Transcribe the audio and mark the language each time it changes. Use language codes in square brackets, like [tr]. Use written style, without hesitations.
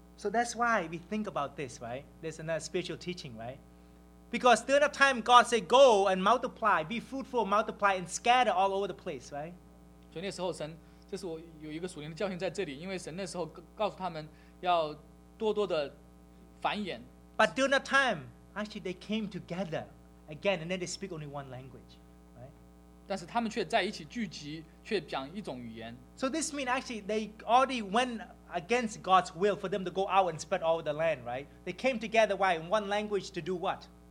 [en] So that's why we think about this, right? There's another spiritual teaching, right? Because during that time God said go and multiply, be fruitful, multiply and scatter all over the place, right? [zh] 所以那时候神就是我有一个属灵的教训在这里因为神那时候告诉他们要多多的繁衍。 [en] But during that time actually they came together again and then they speak only one language. [zh] 但是他们却在一起聚集却讲一种语言。 [en] So this means actually they already went against God's will for them to go out and spread all over the land, right? They came together, why? In one language to do what?